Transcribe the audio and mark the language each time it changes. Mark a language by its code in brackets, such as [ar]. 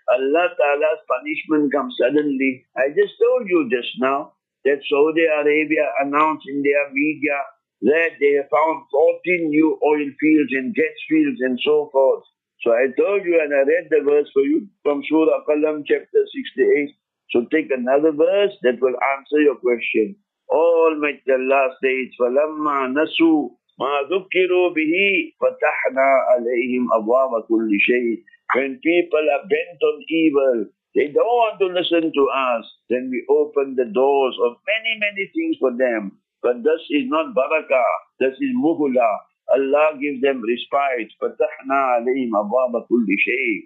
[en] Allah Ta'ala's punishment comes suddenly. I just told you just now that Saudi Arabia announced in their media that they have found 14 new oil fields and gas fields and so forth. So I told you and I read the verse for you from Surah Qalam chapter 68. So take another verse that will answer your question. Almighty Allah states, [ar] فَلَمَّا نَسُوا مَا ذُكِّرُوا بِهِ فَتَحْنَا عَلَيْهِمْ أَبْوَابَ كُلِّ شَيْءٍ. [en] When people are bent on evil, they don't want to listen to us, then we open the doors of many, many things for them. But this is not barakah, this is muhula. Allah gives them respite. [ar] فَتَحْنَا عَلَيْهِمْ أَبْوَابَ كُلِّ شَيْءٍ.